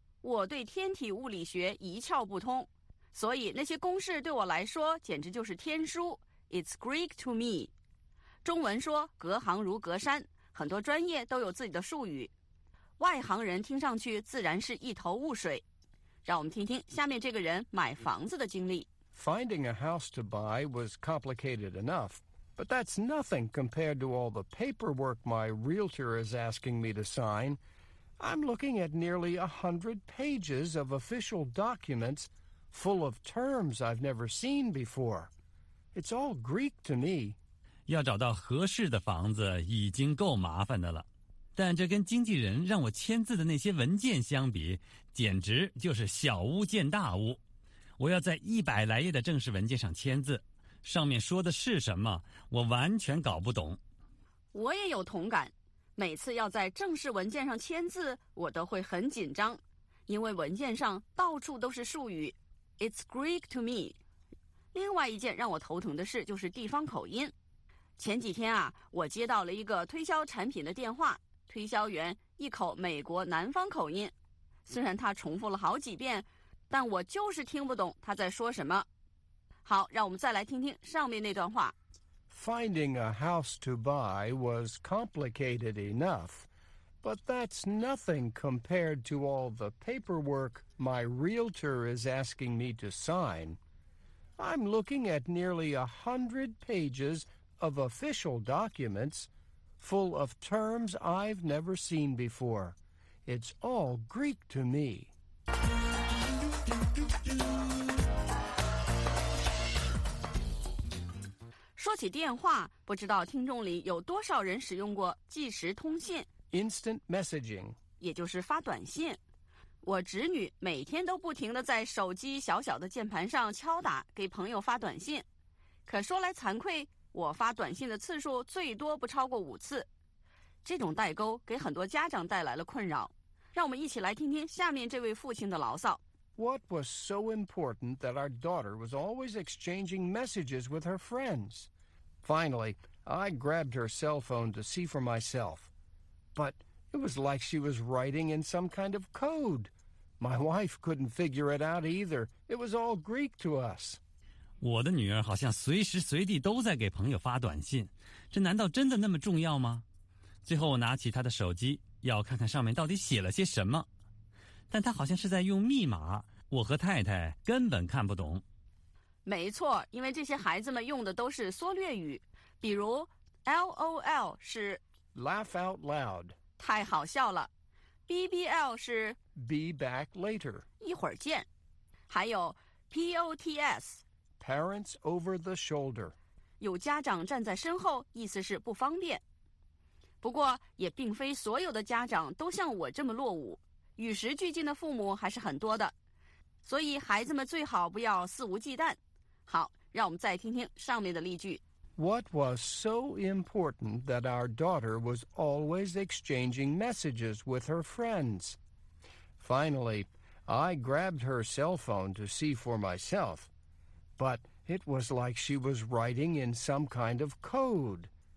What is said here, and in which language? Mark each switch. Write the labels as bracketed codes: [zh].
[zh] 我对天体物理学一窍不通，所以那些公式对我来说简直就是天书。 [en] It's Greek to me. [zh] 中文说隔行如隔山，很多专业都有自己的术语，外行人听上去自然是一头雾水。让我们听听下面这个人买房子的经历。 [en] Finding a house to buy was complicated enough, but that's nothing compared to all the paperwork my realtor is asking me to sign. I'm looking at nearly 100 pages of official documentsfull of terms I've never seen before. It's all Greek to me. [zh] 要找到合适的房子已经够麻烦的了，但这跟经纪人让我签字的那些文件相比，简直就是小巫见大巫。我要在100来页的正式文件上签字，上面说的是什么，我完全搞不懂。我也有同感。每次要在正式文件上签字，我都会很紧张，因为文件上到处都是术语。 [en] It's Greek to me。 [zh] 另外一件让我头疼的事就是地方口音。前几天啊，我接到了一个推销产品的电话，推销员一口美国南方口音，虽然他重复了好几遍，但我就是听不懂他在说什么。好，让我们再来听听上面那段话。 [en] Finding a house to buy was complicated enough, but that's nothing compared to all the paperwork my realtor is asking me to sign. I'm looking at nearly 100 pages of official documents full of terms I've never seen before. It's all Greek to me. [zh] 起电话，不知道听众里有多少人使用过即时通信 [en] Instant messaging， [zh] 也就是发短信。我侄女每天都不停地在手机小小的键盘上敲打给朋友发短信，可说来惭愧，我发短信的次数最多不超过五次。这种代沟给很多家长带来了困扰，让我们一起来听听下面这位父亲的牢骚。 [en] What was so important that our daughter was always exchanging messages with her friends? Finally, I grabbed her cell phone to see for myself. But it was like she was writing in some kind of code. My wife couldn't figure it out either. It was all Greek to us. [zh] 我的女儿好像随时随地都在给朋友发短信。这难道真的那么重要吗？最后我拿起她的手机，要看看上面到底写了些什么。但她好像是在用密码，我和太太根本看不懂。没错，因为这些孩子们用的都是缩略语，比如 LOL 是 [en] Laugh out loud， [zh] 太好笑了。BBL 是 [en] Be back later， [zh] 一会儿见。还有 POTS， [en] Parents over the shoulder， [zh] 有家长站在身后，意思是不方便。不过也并非所有的家长都像我这么落伍，与时俱进的父母还是很多的，所以孩子们最好不要肆无忌惮。好，让我们再听听上面的例句。 [en] What was so important that our daughter was always exchanging messages with her friends? Finally, I grabbed her cell phone to see for myself. But it was like she was writing in some kind of code.